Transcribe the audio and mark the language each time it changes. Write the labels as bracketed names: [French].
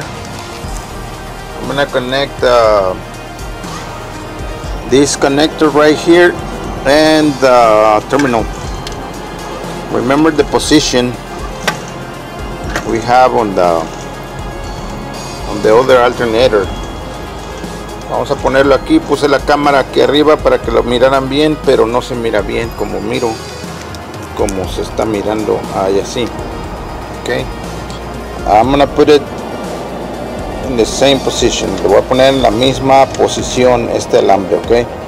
[English] I'm gonna connect this connector right here and the terminal. Remember the position we have on the other alternator. [Spanish] Vamos a ponerlo aquí. Puse la cámara aquí arriba para que lo miraran bien, pero no se mira bien como miro. Como se está mirando ahí así. Okay. [English] I'm gonna put it in the same position. [Spanish] Lo voy a poner en la misma posición este alambre, ok.